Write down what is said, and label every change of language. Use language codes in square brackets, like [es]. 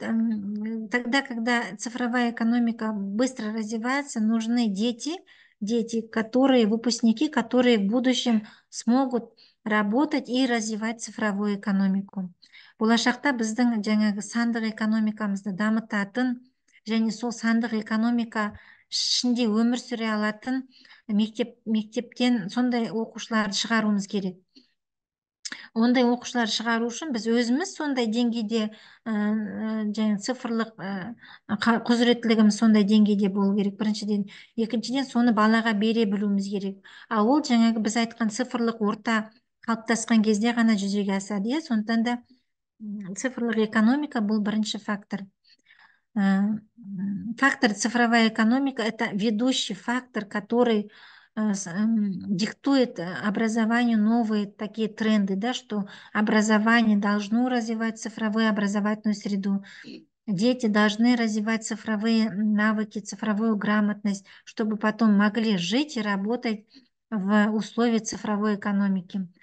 [ru] Тогда, когда цифровая экономика быстро развивается, нужны дети, которые, выпускники, которые в будущем смогут работать и развивать цифровую экономику. [kk] Болашақта біздің жаңағы сандық экономикамызды дамытатын, және сол сандық экономика ішінде өмір сүре алатын мектептен сондай оқушыларды шығаруымыз керек. Ондай оқушылар шығару үшін біз өзіміз сондай деңгейде, және цифрлық құзыреттілігіміз сондай деңгейде болу керек, біріншіден. Екіншіден, соны балаға бере білуіміз керек. Ал ол жаңағы біз айтқан цифрлық орта қалыптасқан кезде ғана жүзеге асады, иә? Сондықтан да цифрлық экономика бұл бірінші фактор. [ru] Фактор цифровая экономика — это ведущий фактор, который диктует образованию новые такие тренды, да, что образование должно развивать цифровую образовательную среду, дети должны развивать цифровые навыки, цифровую грамотность, чтобы потом могли жить и работать в условиях цифровой экономики.